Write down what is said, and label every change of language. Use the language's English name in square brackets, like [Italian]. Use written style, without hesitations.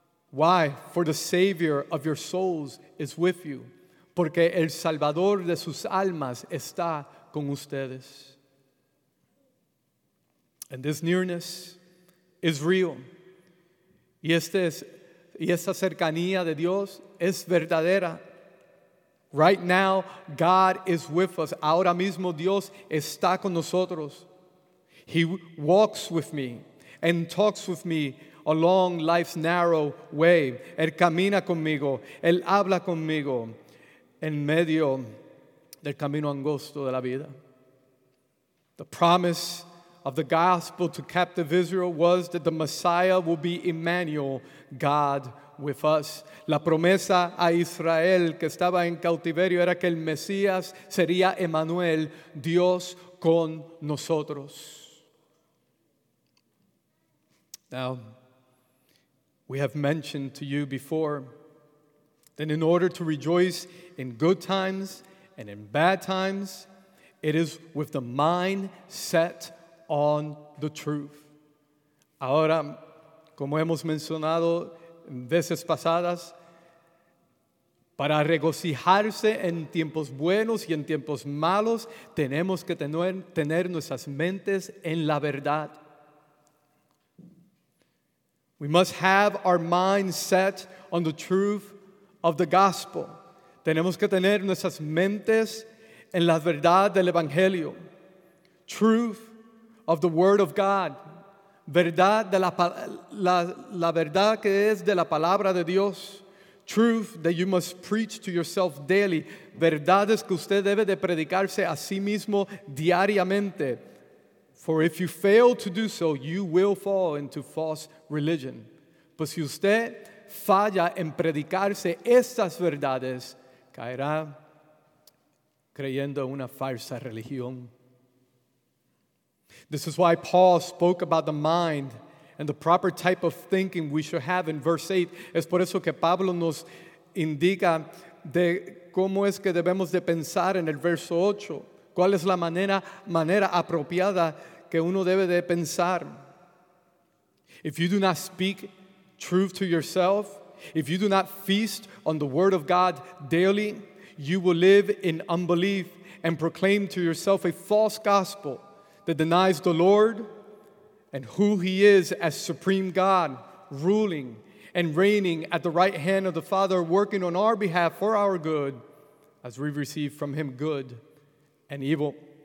[English] Why? For the Savior of your souls is with you. [Spanish] Porque el Salvador de sus almas está con ustedes. [English] And this nearness is real. [Spanish] Y esta cercanía de Dios es verdadera. [English] Right now, God is with us. [Spanish] Ahora mismo, Dios está con nosotros. [English] He walks with me and talks with me along life's narrow way. [Spanish] Él camina conmigo. Él habla conmigo en medio del camino angosto de la vida. [English] The promise of the gospel to captive Israel was that the Messiah will be Emmanuel, God with us. [Spanish] La promesa a Israel que estaba en cautiverio era que el Mesías sería Emmanuel, Dios con nosotros. [English] Now, we have mentioned to you before that in order to rejoice in good times and in bad times, it is with the mind set on the truth. [Spanish] Ahora, como hemos mencionado en veces pasadas, para regocijarse en tiempos buenos y en tiempos malos, tenemos que tener nuestras mentes en la verdad. [English] We must have our mind set on the truth of the gospel. [Spanish] Tenemos que tener nuestras mentes en la verdad del Evangelio. [English] Truth of the Word of God. [Spanish] Verdad de la verdad que es de la palabra de Dios. [English] Truth that you must preach to yourself daily. [Spanish] Verdades que usted debe de predicarse a sí mismo diariamente. [English] For if you fail to do so, you will fall into false religion. [Spanish] Pues si usted falla en predicarse estas verdades, caerá creyendo una falsa religión. [English] This is why Paul spoke about the mind and the proper type of thinking we should have in verse 8. [Spanish] Es por eso que Pablo nos indica de cómo es que debemos de pensar en el verso 8. ¿Cuál es la manera apropiada que uno debe de pensar? [English] If you do not speak truth to yourself, if you do not feast on the word of God daily, you will live in unbelief and proclaim to yourself a false gospel that denies the Lord and who he is as supreme God, ruling and reigning at the right hand of the Father, working on our behalf for our good, as we receive from him good and evil.